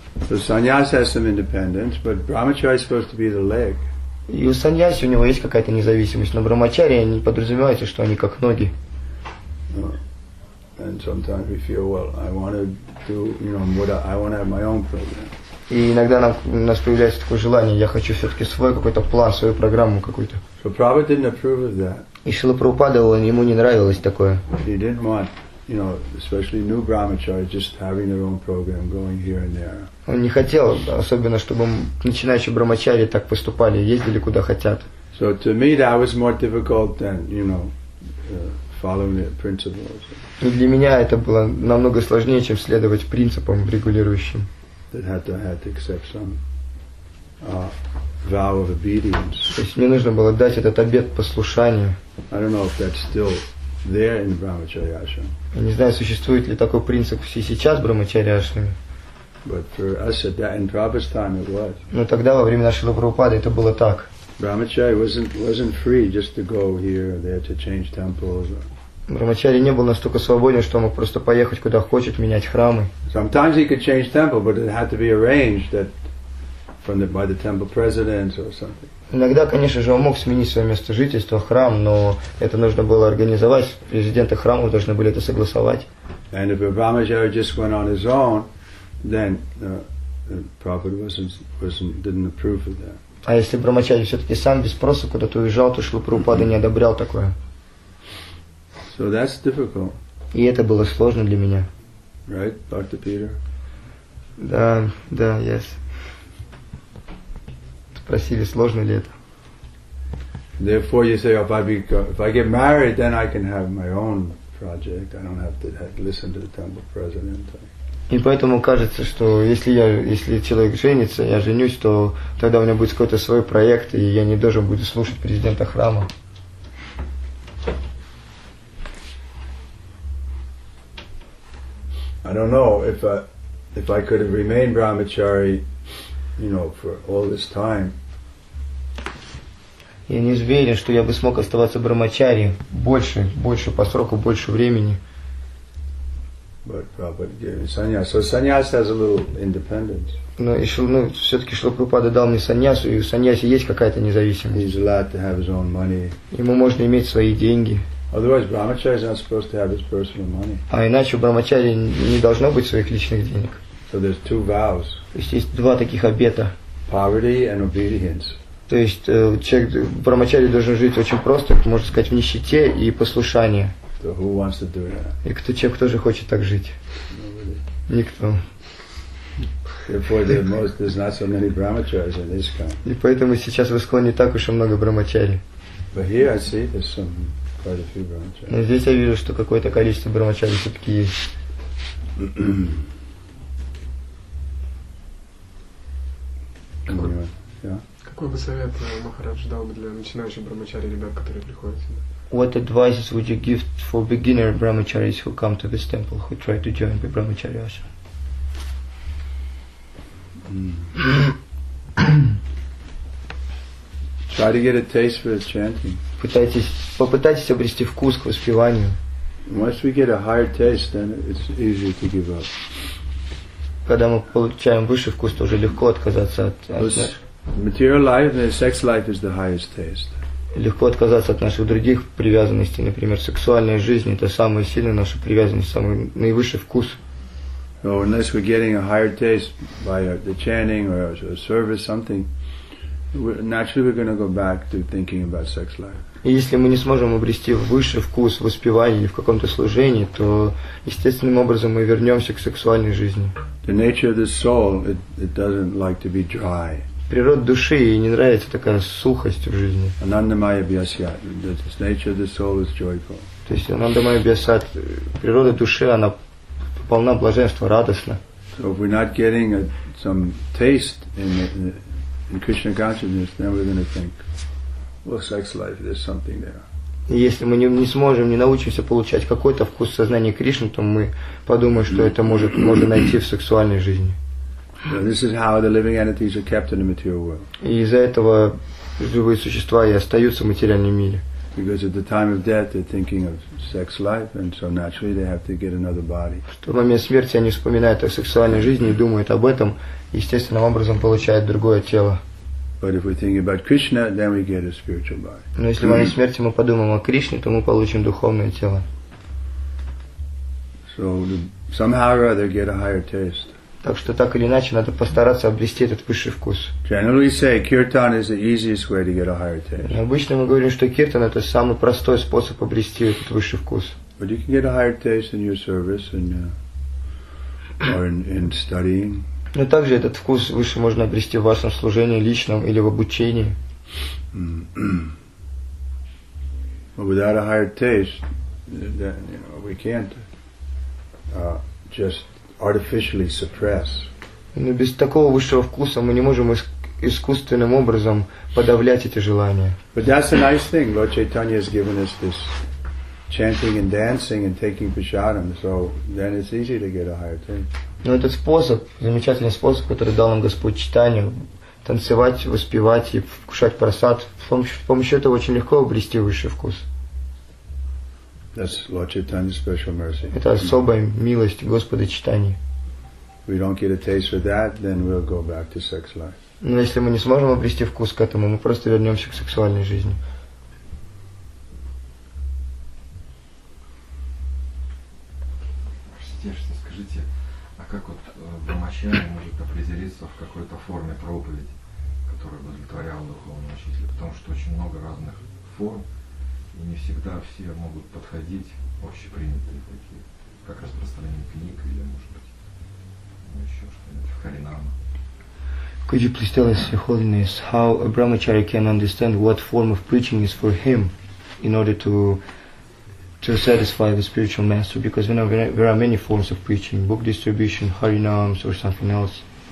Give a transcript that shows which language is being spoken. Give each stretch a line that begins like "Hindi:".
English: So sannyas has some independence, but brahmachari is supposed to be the leg.
Russian: И у саньяси у него есть какая-то независимость, но брахмачари не подразумевается, что они как ноги.
English: And sometimes we feel, well, I want to do, you know, what I want to have my own program.
Russian: И иногда у нас появляется такое желание, я хочу все-таки свой какой-то план, свою программу какую-то.
English: So Prabhupada didn't approve of that.
Russian: И Шрила Прабхупада, ему не нравилось такое.
English: He didn't want, you know, especially new brahmachari just having their own program, going here and there.
Russian: Он не хотел, особенно, чтобы начинающие брахмачари так поступали, ездили куда хотят.
English: So to me that was more difficult than, you know, following the principles.
Russian: И для меня это было намного сложнее, чем следовать принципам регулирующим.
English: That had to accept some vow of obedience.
Russian: То есть мне нужно было дать этот обет послушания.
English: I don't know if that's still there in Brahmachari Ashram.
Russian: Я не знаю, существует ли такой принцип все сейчас в Брахмачари Ашраме.
English: But for us at that in Prabhupada's time it was.
Russian: Но тогда во время нашего Прабхупады это было так.
English: Brahmachari wasn't free just to go here or there to change temples.
Russian: Брахмачари не был настолько свободен, что он мог просто поехать куда хочет, менять храмы.
English: Sometimes he could change temple, but it had to be arranged that by the temple president or something.
Russian: Иногда, конечно же, он мог сменить свое место жительства, храм, но это нужно было организовать. Президенты храма должны были это согласовать.
English: And if a brahmachari just went on his own, then the prophet didn't approve of that.
Russian: А если брахмачари все-таки сам без спроса куда-то уезжал, то Шрила Прабхупада не одобрял такое.
English: So that's difficult.
Russian: И это было сложно для меня.
English: Right, Dr. Peter?
Russian: Да,
English: yes.
Russian: Спросили, сложно ли это.
English: Therefore you say, if I get married, then I can have my own project. I don't have to listen to the temple president.
Russian: И поэтому кажется, что если человек женится, я женюсь, то тогда у меня будет какой-то свой проект, и я не должен буду слушать президента храма.
English: I don't know if I could have remained brahmachari, you know, for all this time.
Russian: Я не уверен, что я бы смог оставаться брахмачари больше по сроку, больше времени.
English: But Prabhupada gave me sannyas. So sannyas has a little independence.
Russian: Но все-таки Шрила Прабхупада дал мне саньясу, и у саньяси есть какая-то независимость.
English: He's allowed to have his own money.
Russian: Ему можно иметь свои деньги.
English: Otherwise, brahmachari is not supposed to have his personal money.
Russian: А иначе брахмачари не должно быть своих личных денег.
English: So there's two vows.
Russian: То есть есть два таких обета.
English: Poverty and obedience.
Russian: То есть брахмачари должен жить очень просто, можно сказать, в нищете и послушании.
English: So who wants to do that?
Russian: И кто же хочет так жить?
English: Nobody.
Russian: Никто.
English: Therefore, there's not so many brahmacharis in this kind.
Russian: И поэтому сейчас в Искон не так уж и много брахмачари.
English: But here I see there's some. Quite a few brahmachari.
Russian: Но здесь я вижу, что какое-то количество брахмачари все-таки есть. Какой бы совет Махарадж дал бы для начинающих брахмачари, ребят, которые приходят сюда?
English: What advice would you give for beginner brahmacharis who come to this temple, who try to join the brahmachari ashram? Try to get a taste for the chanting.
Russian: Попытайтесь обрести вкус к воспеванию.
English: Once we get a higher taste, then it's easier to give up.
Russian: Когда мы получаем высший вкус, то уже легко отказаться от.
English: Material life and sex life is the highest taste.
Russian: Легко отказаться от наших других привязанностей, например, сексуальной жизни, это самая сильная наша привязанность, самый наивысший вкус.
English: So unless we're getting a higher taste by the chanting or a service, something, naturally we're going to go back to thinking about sex life.
Russian: И если мы не сможем обрести высший вкус в воспевании или в каком-то служении, то естественным образом мы вернемся к сексуальной жизни.
English: The nature of the soul, it doesn't like to be dry.
Russian: Природа души ей не нравится такая сухость в жизни.
Sanskrit: Анандамайя бьясат.
English: The nature of the soul is joyful.
Russian: То есть
Sanskrit: анандамайя бьясат,
Russian: природа души, она полна блаженства, радостна.
English: So if we're not getting some taste in Krishna consciousness, then we're going to think, well, sex life, there's something there.
Russian: Если мы не сможем, не научимся получать какой-то вкус сознания Кришны, то мы подумаем, что это может можно найти в сексуальной жизни.
English: So this is how the living entities are kept in the material world.
Russian: И из-за этого живые существа и остаются в материальном мире.
English: Because at the time of death they're thinking of sex life, and so naturally they have to get another body.
Russian: В тот момент смерти они вспоминают о сексуальной жизни и думают об этом, естественным образом получают другое тело.
English: But if we think about Krishna, then we get a spiritual body.
Russian: Но если в момент смерти мы подумаем о Кришне, то мы получим духовное тело.
English: So somehow or other get a higher taste.
Russian: Так что так или иначе надо постараться обрести этот высший вкус.
English: Generally say kirtan is the easiest way to get a higher taste.
Russian: Обычно мы говорим, что киртан это самый простой способ обрести этот высший вкус.
English: But you can get a higher taste in your service or in studying.
Russian: Но также этот вкус выше можно обрести в вашем служении личном или в обучении.
English: But without a higher taste, then we can't just artificially suppress.
Russian: Но без такого высшего вкуса мы не можем искусственным образом подавлять эти желания.
English: But that's a nice thing. Lord Chaitanya has given us this chanting and dancing and taking prasadam. So then it's easy to get a higher thing.
Russian: Но этот способ, замечательный способ, который дал нам Господь Чайтанья, танцевать, воспевать и кушать прасад, с помощью этого очень легко обрести высший вкус.
English: That's Lord Chaitanya's special mercy.
Russian: Это особая милость Господа Чайтаньи.
English: We don't get a taste for that, then we'll go back to sex life.
Russian: Но если мы не сможем обрести вкус к этому, мы просто вернемся к сексуальной жизни. Простите, скажите, а как вот брахмачари может определиться в какой-то форме проповеди, которая удовлетворяла духовного учителя? Потому что очень много разных форм. И не всегда все могут подходить, общепринятые такие, как распространение книг или, может быть, еще что-нибудь, харинама.
English: Could you please tell us, Your Holiness, how a brahmachari can understand what form of preaching is for him in order to satisfy the spiritual master? Because, you know, there are many forms of preaching, book distribution, harinams or something else.